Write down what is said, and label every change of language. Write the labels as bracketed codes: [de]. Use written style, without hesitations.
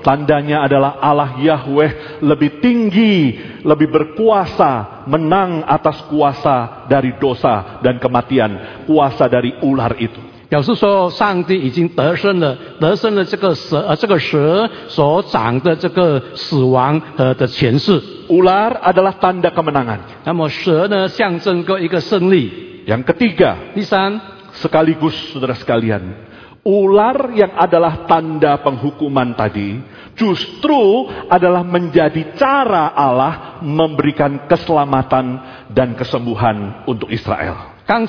[id] tandanya adalah Allah Yahweh lebih tinggi, lebih berkuasa, menang atas kuasa dari dosa dan kematian, kuasa dari ular itu. [zh] 表示说上帝已经得胜了这个蛇所长的这个死亡和的权势。 [id] Ular adalah tanda kemenangan. [zh] 那么蛇呢象征过一个胜利。 [id] Yang ketiga, [zh] 第三, [id] sekaligus saudara sekalian, ular yang adalah tanda penghukuman tadi, justru adalah menjadi cara Allah memberikan keselamatan dan kesembuhan untuk Israel.